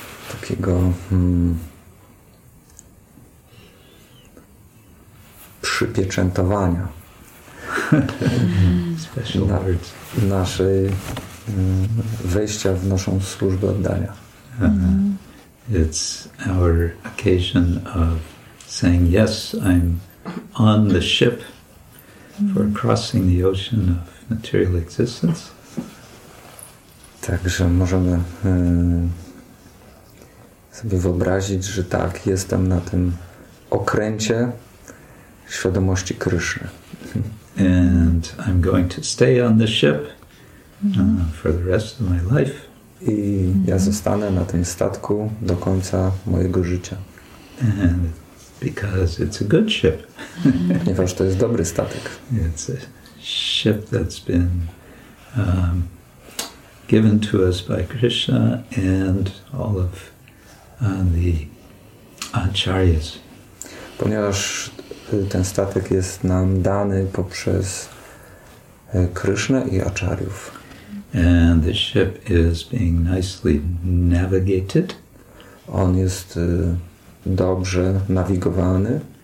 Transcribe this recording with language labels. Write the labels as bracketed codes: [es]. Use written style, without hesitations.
[pl] Takiego przypieczętowania. [en] Special words. [pl] Naszej wejścia w naszą służbę oddania. [en] It's our occasion of saying, yes, I'm on the ship for crossing the ocean of material existence. [pl] Także możemy sobie wyobrazić, że tak, jestem na tym okręcie świadomości Kryszny. [en] And I'm going to stay on the ship for the rest of my life. [pl] I ja zostanę na tym statku do końca mojego życia. [en] And because it's a good ship. [pl] Ponieważ to jest dobry statek. [en] It's a ship that's been given to us by Krishna and all of the acharyas. [pl] Ponieważ ten statek jest nam dany poprzez Krishna i acharyów. [en] And the ship is being nicely navigated. [pl] On jest dobrze nawigowany.